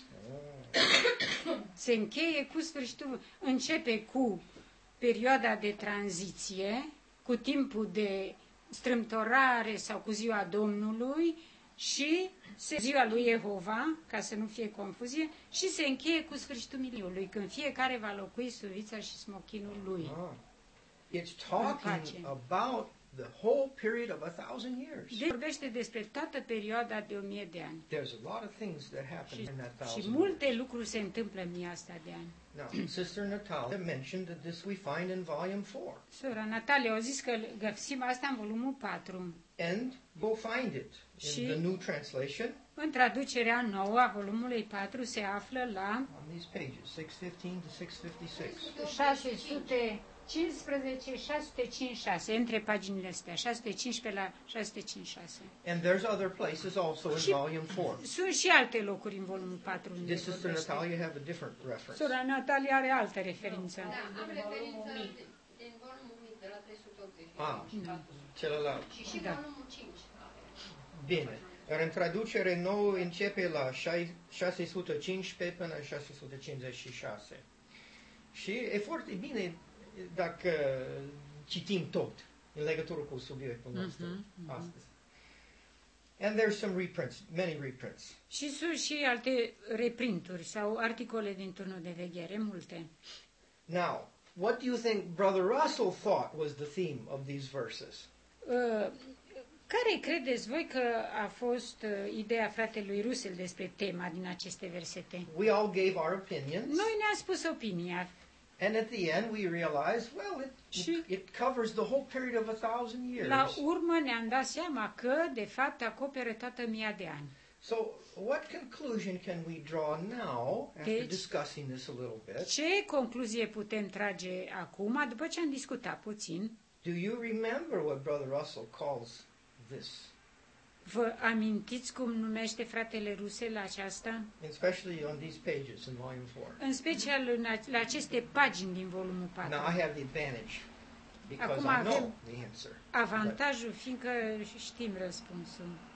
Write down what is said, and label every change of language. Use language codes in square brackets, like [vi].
[ro] Oh. Se încheie cu sfârșitul, începe cu perioada de tranziție, cu timpul de strâmtorare sau cu ziua Domnului și ziua lui Jehova, ca să nu fie confuzie, și se încheie cu sfârșitul miliului, când fiecare va locui suvița și smochinul lui. [en] It's talking about the whole period of 1,000 years. [ro] Vorbește despre toată perioada de 1,000 de ani. [en] There's a lot of things that happen in that 1,000 years. [ro] Și multe lucruri se întâmplă în 1,000 de ani. [en] Now, Sister Natalia mentioned that this we find in volume 4. [ro] Sora Natalia a zis că găsim asta în volumul 4. [en] And we'll find it in [ro] și [en] the new translation. [ro] În traducerea nouă a volumului 4 se află la [en] on these pages, 615 to 656. [ro] 615-656, între paginile astea, 615-656. [en] And there's other places also in volume 4. [ro] Sunt și alte locuri în volumul 4. [en] Does Sister Natalia have a different reference? [ro] Sora Natalia are altă referință. Da, am referință din volumul 1 de la 385. Ah, celălalt. Și da. Volumul 5. Bine. Dar în traducere nouă începe la 615 până 656. Și e foarte bine dacă citim tot în legătură cu subiectul nostru astăzi. [en] And there's some reprints, many reprints. [ro] Și sunt și alte reprinturi sau articole din turnul de veghere, multe. [en] Now, what do you think Brother Russell thought was the theme of these verses? [ro] Care credeți voi că a fost ideea fratelui Russell despre tema din aceste versete? [en] We all gave our opinions. [ro] Noi ne-am spus opinia. [en] And at the end we realize, well, it covers the whole period of 1,000 years. [ro] La urmă ne-am dat seama că, de fapt, acoperă toată 1,000 de ani. [en] So, what conclusion can we draw now, after discussing this a little bit? [ro] Ce concluzie putem trage acum, după ce am discutat puțin? [en] Do you remember what Brother Russell calls this? [ro] Vă amintiți cum numește fratele Russell aceasta? [en] Especially on these pages in volume 4. [ro] În special la aceste pagini din volumul 4. [en] Now I have the advantage because [ro] acum [en] I know the answer. [ro] Avantajul fiindcă știm răspunsul.